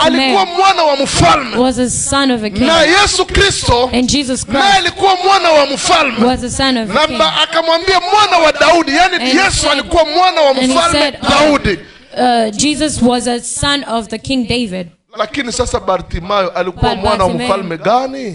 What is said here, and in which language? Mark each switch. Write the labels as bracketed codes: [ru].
[sw] alikuwa mwana wa mfalme, [en] was a son of a king. [sw] Na Yesu Kristo, [en] and Jesus Christ, [sw] naye alikuwa mwana wa mfalme, [en] was a son of a king. [sw] Na akamwambia mwana wa Daudi, yani Yesu alikuwa mwana wa mfalme Daudi. [en] Jesus was a son of the king David. [sw] Lakini sasa Bartimayo alikuwa mwana wa mfalme gani?